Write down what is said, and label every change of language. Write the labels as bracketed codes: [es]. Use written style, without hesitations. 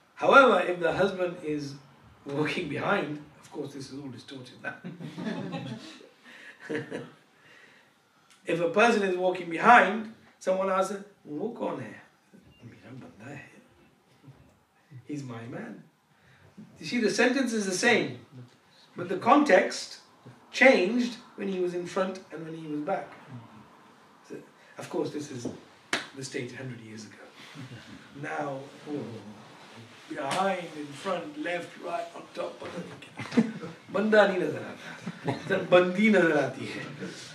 [en] However, if the husband is walking behind, of course, this is all distorted. If a person is walking behind, someone asks him, [ur] "Who kaun hai?" "میرا بندہ ہے." [en] He's my man. You see, the sentence is the same, but the context changed when he was in front and when he was back. So, of course, this is the state 100 years ago. Now, behind, in front, left, right, on top, [ur] banda nahi nazar aata, bandi nazar aati hai.